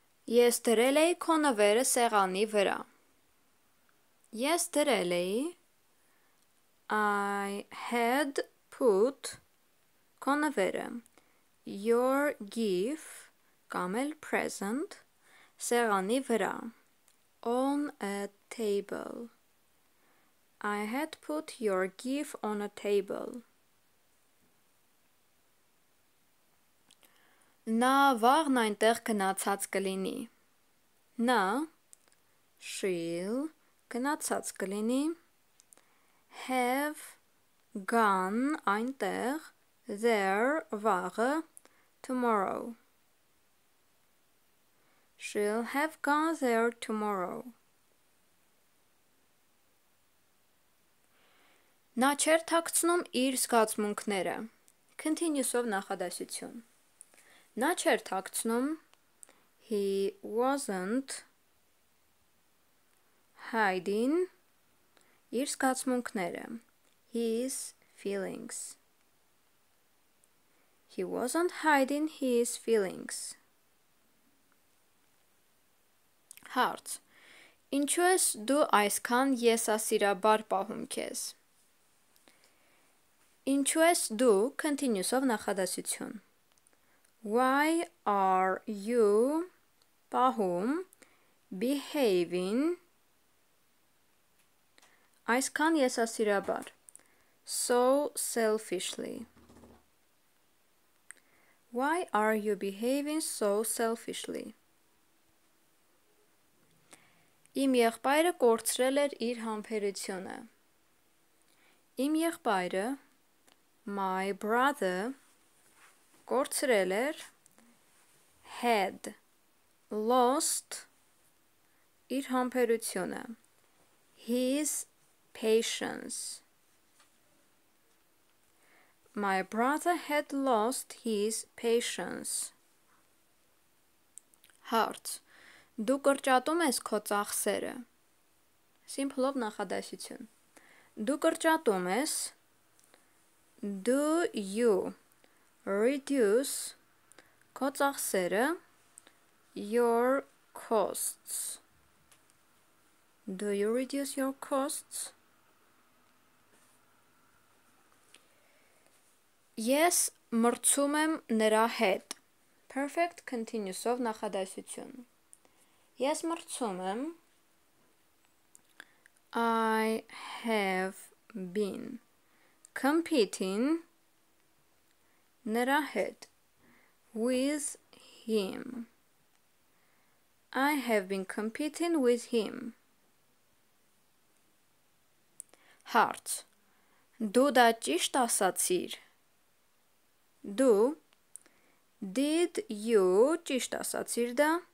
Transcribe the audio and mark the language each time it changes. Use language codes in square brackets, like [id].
[hy] Ես դրել էի քո նվերը սեղանի վրա։ Ես դրել էի, [en] I had put [hy] քո նվերը, [en] your gift, [hy] կամ էլ present, սեղանի վրա, [en] on a table. I had put your gift on a table. [hy] Նա վաղն այնտեղ գնացած կլինի։ Նա, she'll, գնացած կլինի, [en] have gone [hy] այնտեղ, there, վաղը, tomorrow. [en] She'll have gone there tomorrow. [hy] Նա չեր թաքցնում իր զգացմունքները։ Continuous-ով նախադասություն։ Նա չեր թաքցնում, [en] he wasn't hiding [hy] իր զգացմունքները, [en] his feelings. He wasn't hiding his feelings. [hy] Հարց. Ինչու ես դու այսքան եսասիրաբար պահում քեզ։ Ինչու ես դու continuous-ով նախադասություն։ [en] Why are you [hy] պահում behaving այսքան եսասիրաբար, [en] so selfishly? Why are you behaving so selfishly? [hy] Իմ եղբայրը կորցրել էր իր համբերությունը։ Իմ եղբայրը, [en] my brother, [hy] կորցրել էր, [en] had lost [hy] իր համբերությունը, [en] his patience. My brother had lost his patience. [hy] Հարց. Դու կրճատում ես քո ծախսերը։ Սիմպլով նախադասություն։ Դու կրճատում ես։ [en] Do you reduce [hy] քո ծախսերը? [en] Your costs. Do you reduce your costs? [hy] Ես մրցում եմ նրա հետ։ Perfect continuous-ով նախադասություն։ Ես մրցում եմ։ [en] I have been competing [hy] նրա հետ [en] with him. I have been competing with him. [hy] Հարց. Դու դա ճիշտ ասացիր։ Դու [en] Did you [hy] ճիշտ ասացիր դա?